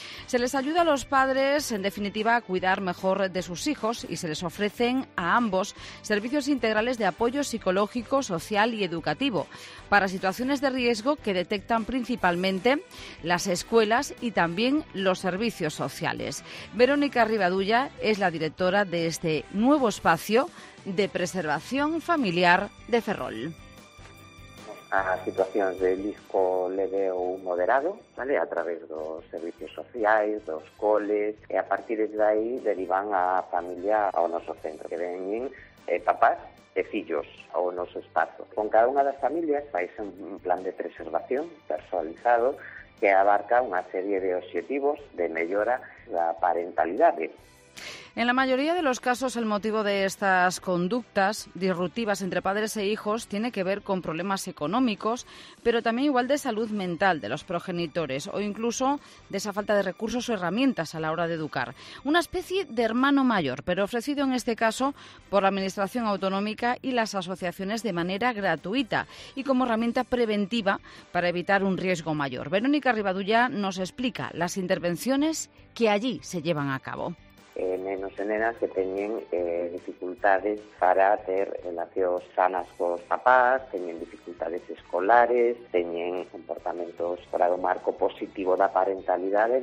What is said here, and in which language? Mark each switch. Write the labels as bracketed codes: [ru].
[es] Se les ayuda a los padres, en definitiva, a cuidar mejor de sus hijos y se les ofrecen a ambos servicios integrales de apoyo psicológico, social y educativo para situaciones de riesgo que detectan principalmente las escuelas y también los servicios sociales. Verónica Rivadulla es la directora de este nuevo espacio de preservación familiar de Ferrol. [gl] A situacións de risco leve ou moderado, vale, a través dos servicios sociais, dos coles, e a partir de aí derivan a familia ao noso centro, que veñen papás e fillos ao noso espazo. Con cada unha das familias faz un plan de preservación personalizado que abarca unha serie de objetivos de mellora da parentalidade. [es] En la mayoría de los casos, el motivo de estas conductas disruptivas entre padres e hijos tiene que ver con problemas económicos, pero también igual de salud mental de los progenitores o incluso de esa falta de recursos o herramientas a la hora de educar. Una especie de hermano mayor, pero ofrecido en este caso por la Administración Autonómica y las asociaciones de manera gratuita y como herramienta preventiva para evitar un riesgo mayor. Verónica Rivadulla nos explica las intervenciones que allí se llevan a cabo. [gl] Nenos e nenas que teñen dificultades para ter relacións sanas cos papás, teñen dificultades escolares, teñen comportamentos fora do marco positivo da parentalidade.